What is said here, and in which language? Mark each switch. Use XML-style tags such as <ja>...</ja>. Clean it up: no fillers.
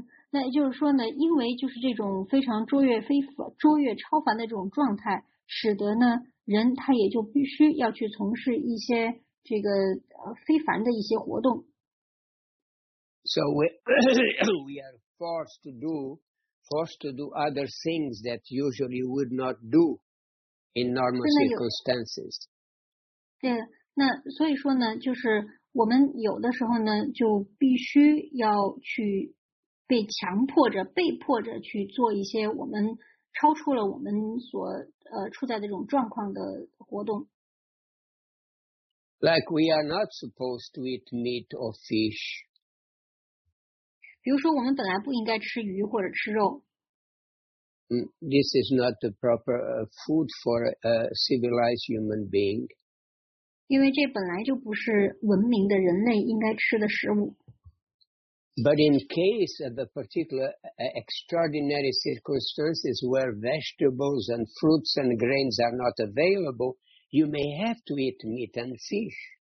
<zh>那也就是说呢，因为就是这种非常卓越超凡的这种状态，使得呢人他也就必须要去从事一些这个非凡的一些活动。</zh> <en>So we are forced to do other things that usually would not do in normal circumstances.</en> <zh>对，那所以说呢，就是我们有的时候呢，就必须要去被强迫着、被迫着去做一些我们超出了我们所处在的这种状况的活动。</zh> <en>Like we are not supposed to eat meat or fish.</en> <zh>比如说，我们本来不应该吃鱼或者吃肉。</zh> <en>This is not the proper food for a civilized human being.</en> <zh>因为这本来就不是文明的人类应该吃的食物。</zh> <en>But in case of the particular extraordinary circumstances where vegetables and fruits and grains are not available, you may have to eat meat and fish.</en>